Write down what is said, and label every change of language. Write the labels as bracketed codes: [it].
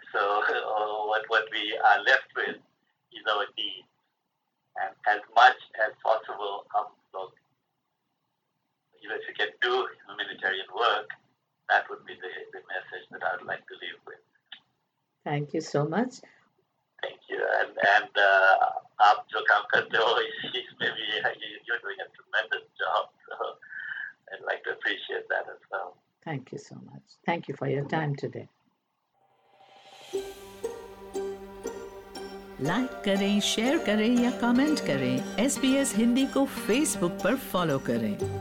[en] so what we are left with is our deed, and as much as possible [hi] हम लोग [en] If you can do humanitarian work, that would be the message that I would like to leave with. Thank you so much. Thank you. And [hi] आप जो काम करते हो इसमें भी [en] you're doing a tremendous job, so I'd like to appreciate that as well. Thank you so much. Thank you for your time today. [hi] Like करें, share करें या कमेंट करें. SBS हिंदी को फेसबुक पर फॉलो करें.